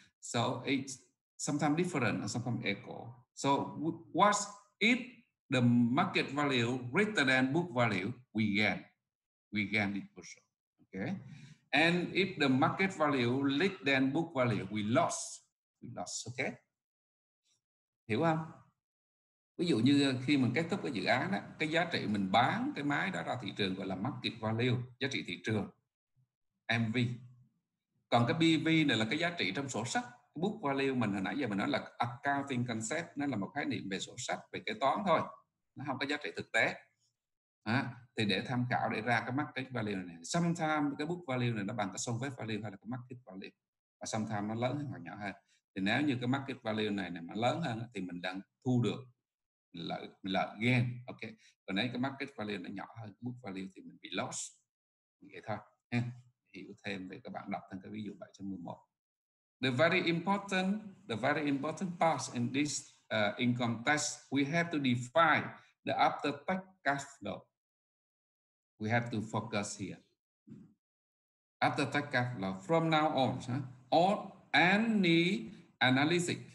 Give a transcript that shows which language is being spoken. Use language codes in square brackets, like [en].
[en] So it's sometimes different, sometimes echo. So what if the market value greater than book value, we gain this portion, okay? And if the market value less than book value, we lost, okay? [vi] Hiểu không? Ví dụ như khi mình kết thúc cái dự án đó, cái giá trị mình bán cái máy đó ra thị trường gọi là market value, giá trị thị trường, MV. Còn cái BV này là cái giá trị trong sổ sách, cái book value mình hồi nãy giờ mình nói là accounting concept, nó là một khái niệm về sổ sách, về kế toán thôi, nó không có giá trị thực tế. À, thì để tham khảo để ra cái market value này, sometimes cái book value này nó bằng cái solvent value hay là cái market value, và sometimes nó lớn hơn hoặc nhỏ hơn. Thì nếu như cái market value này mà lớn hơn thì mình đang thu được lợi gain, ok. Còn nếu cái market value nó nhỏ hơn book value thì mình bị loss, vậy thôi. Hiểu thêm về các bạn đọc thêm cái ví dụ 7.11. [en] The very important part in this income tax, we have to define the after tax cash flow. We have to focus here. After tax cash flow from now on, or any analysis.